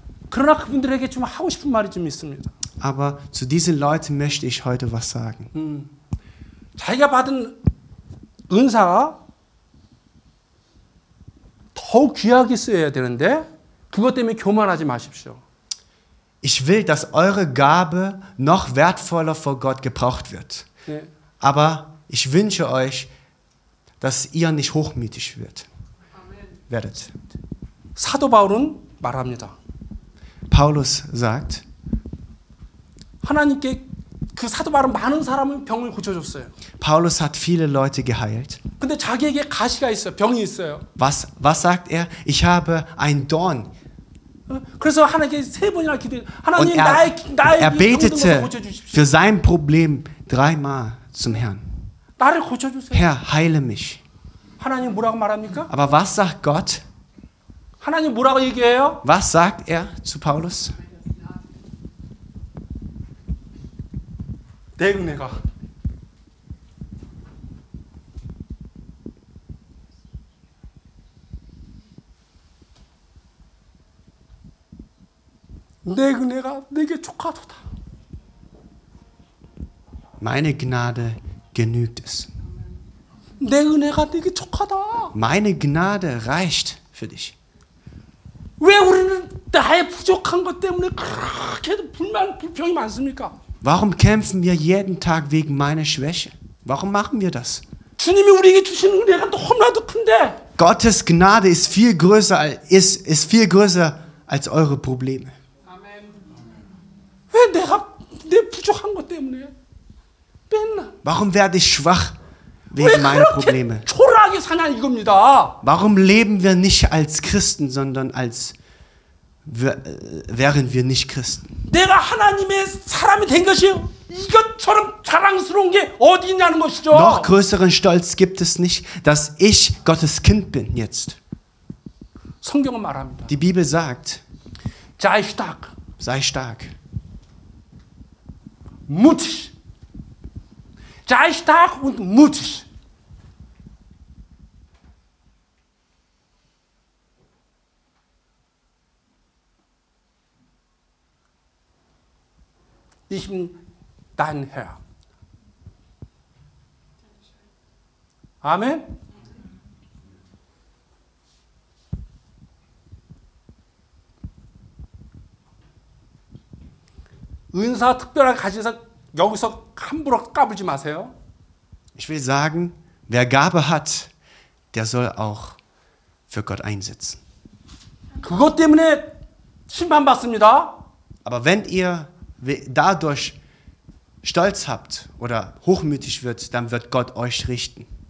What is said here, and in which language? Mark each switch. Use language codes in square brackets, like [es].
[ko] 그러나 그분들에게 좀 하고 싶은 말이 좀 있습니다. [de] Aber zu diesen Leuten möchte ich heute was sagen. [ko] 자기가 받은 은사 더욱 귀하게 써야 되는데 그것 때문에 교만하지 마십시오. [de] Ich will, dass eure Gabe noch wertvoller vor Gott gebraucht wird. [ko] 네. [de] Aber ich wünsche euch, dass ihr nicht hochmütig werdet. [ko] 사도 바울은 말합니다. [de] Paulus sagt, [ko] 하나님께 그 사도 바울은 많은 사람은 병을 고쳐줬어요. [de] Paulus hat viele Leute geheilt. [ko] 근데 자기에게 가시가 있어요. 병이 있어요. [de] Was sagt er? Ich habe einen Dorn. [ko] 그래서 하나님께 세 번이나 기도. 하나님 나의 [de] Er betete für sein Problem dreimal zum Herrn. [ko] 나를 고쳐주세요. [de] Herr, heile mich. [ko] 하나님 뭐라고 말합니까? [de] Aber was sagt Gott? [ko] 하나님 뭐라고 얘기해요? [de] Was sagt er zu Paulus? [ko] 내가 내 은혜가 내게 축하도다. [de] Meine Gnade genügt es. [ko] 내 은혜가 네게 족하다. [de] Meine Gnade reicht für dich. [ko] 왜 우리는 나의 부족한 것 때문에 그렇게도 불만 불평이 많습니까? [de] Warum kämpfen wir jeden Tag wegen meiner Schwäche? Warum machen wir das? [ko] 주님이 우리에게 주시는 은혜가 너무나도 큰데. [de] Gottes Gnade ist viel größer als ist viel größer als eure Probleme. [ko] Amen. 왜 내가 내 부족한 것 때문에 맨날? [de] Warum werde ich schwach wegen meiner Probleme? [ko] 왜 그렇게 초라하게 사냐 이겁니다. [de] Warum leben wir nicht als Christen, sondern als wären wir nicht Christen? [ko] 내가 하나님의 사람이 된 것이 이것처럼 자랑스러운 게 어디 있냐는 것이죠. [de] Noch größeren Stolz gibt es nicht, dass ich Gottes Kind bin jetzt. [ko] 성경은 말합니다. [de] Die Bibel sagt. Sei stark. Sei stark. Mutig. Sei stark und mutig. Ich bin dein Herr. Amen. Amen. [ko] 은사 특별한 가진 사 여기서 함부로 까불지 마세요. [de] Ich will sagen, wer Gabe hat, der soll auch für Gott einsetzen. [ko] 그것 때문에 심판 받습니다. [de] Aber wenn ihr dadurch stolz habt oder hochmütig wird, dann wird Gott euch richten.